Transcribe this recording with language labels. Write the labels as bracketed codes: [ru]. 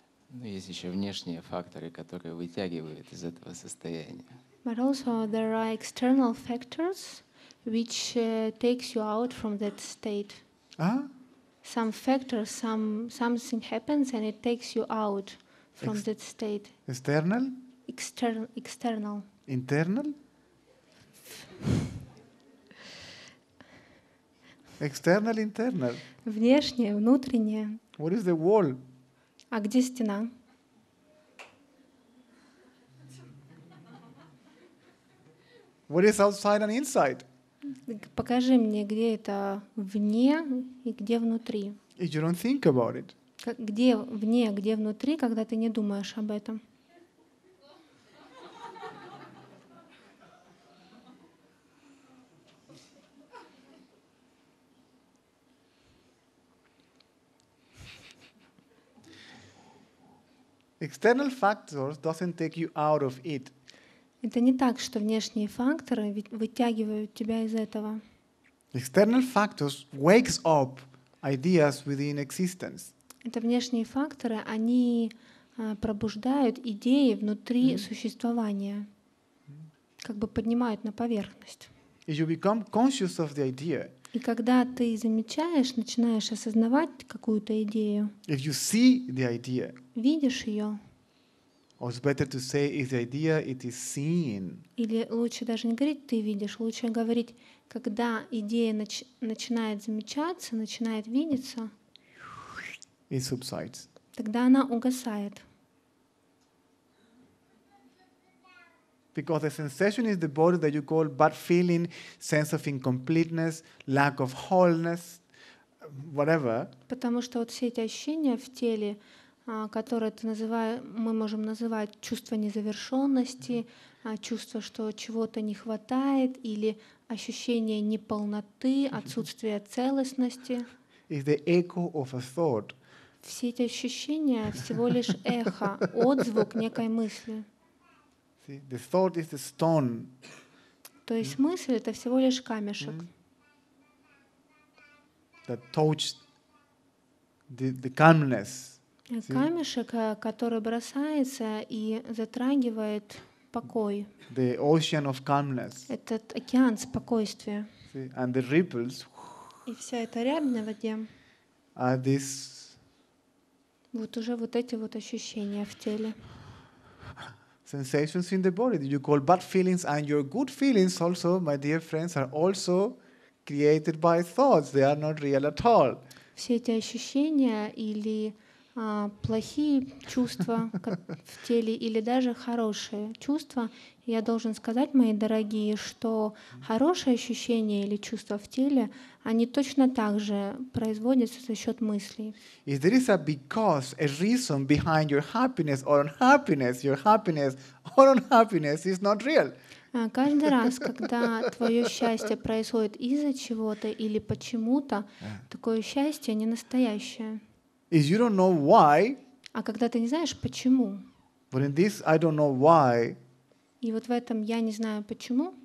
[ru] Но есть еще внешние факторы, которые вытягивают из этого состояния. [en] But also there are external factors which takes you out from that state. Some factor, something happens and it takes you out from that state. External? External. Internal? External, internal. [ru] Внешнее, внутреннее. [en] What is the wall? [ru] А где стена? [en] What is outside and inside? [ru] Покажи мне, где это вне и где внутри. [en] You don't think about it. [ru] Где вне, где внутри, когда ты не думаешь об этом. [en] External factors doesn't take you out of it. [ru] Это не так, что внешние факторы вытягивают тебя из этого. [en] External factors wakes up ideas within existence. [ru] Это внешние факторы, они пробуждают идеи внутри существования, как бы поднимают на поверхность. [en] You become conscious of the idea. [ru] И когда ты замечаешь, начинаешь осознавать какую-то идею, [en] if you see the idea, [ru] видишь ее. [en] Or it's better to say, if the idea it is seen. [ru] Или лучше даже не говорить, ты видишь, лучше говорить, когда идея начинает замечаться, начинает видеться. [en] It subsides. [ru] Тогда она угасает. [en] Because the sensation is the body that you call bad feeling, sense of incompleteness, lack of wholeness, whatever. [ru] Потому что вот все эти ощущения в теле. Которое мы можем называть чувство незавершенности, чувство, что чего-то не хватает, или ощущение неполноты, отсутствие целостности. [en] It's the echo of a thought. [ru] Все эти ощущения всего лишь эхо, отзвук некой мысли. [en] See, the thought is the stone. [ru] То есть мысль — это всего лишь камешек. [en] That touched the calmness. [ru] Камешек, который бросается и затрагивает покой. [en] The ocean of calmness. [ru] Этот океан спокойствия. [en] See? And the ripples. [ru] И вся эта рябь на воде. [en] Are this... [ru] Вот уже вот эти вот ощущения в теле. [en] sensations in the body. You call bad feelings, and your good feelings also, my dear friends, are also created by thoughts. They are not real at all. [ru] Все эти ощущения или плохие чувства в теле или даже хорошие чувства, я должен сказать, мои дорогие, что хорошие ощущения или чувства в теле, они точно так же производятся за счет мыслей. [en] If there is a because, a reason behind your happiness or unhappiness, your happiness or unhappiness is not real. [ru] Каждый раз, когда твое счастье происходит из-за чего-то или почему-то, такое счастье не настоящее. [en] Is you don't know why. [ru] А когда ты не знаешь почему. [en] But in this I don't know why. [ru] И вот в этом я не знаю почему.